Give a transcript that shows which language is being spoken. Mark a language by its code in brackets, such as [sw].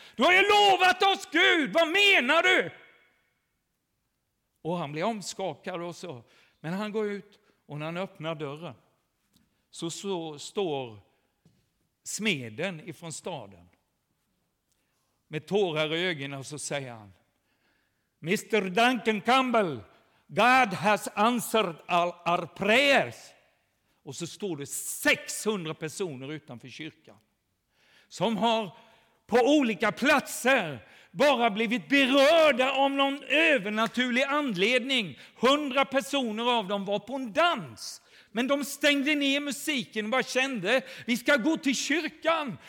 [sv] Du har ju lovat oss, Gud. Vad menar du? Och han blir omskakad och så. Men han går ut och när han öppnar dörren så står smeden ifrån staden med tårar i ögonen och så säger han: Mr. [en] Duncan Campbell, God has answered all our prayers. [sv] Och så står det 600 personer utanför kyrkan som har på olika platser bara blivit berörda om någon övernaturlig anledning. 100 personer av dem var på en dans. Men de stängde ner musiken och bara kände, vi ska gå till kyrkan.